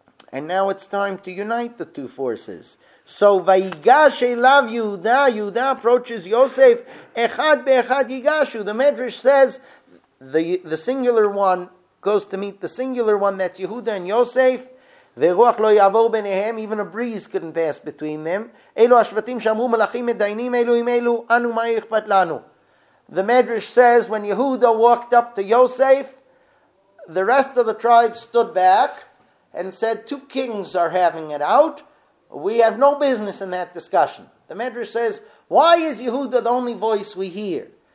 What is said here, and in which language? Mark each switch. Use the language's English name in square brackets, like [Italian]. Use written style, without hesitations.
[English] And now it's time to unite the two forces. So, [Hebrew] Vayigash Elav Yehuda. [English] Yehuda approaches Yosef. [Hebrew] Echad be'echad yigashu. [English] The Medrash says, the singular one goes to meet the singular one. That's Yehuda and Yosef. [Hebrew] ורוח לא יעבור ביניהם, [English] even a breeze couldn't pass between them. [Hebrew] אלו השבטים שאמרו מלאכים מדיינים אלו עם אלו, אנו מה יכפת לנו. [English] The Medrash says, when Yehuda walked up to Yosef, the rest of the tribe stood back and said, two kings are having it out. We have no business in that discussion. The Medrash says, why is Yehuda the only voice we hear?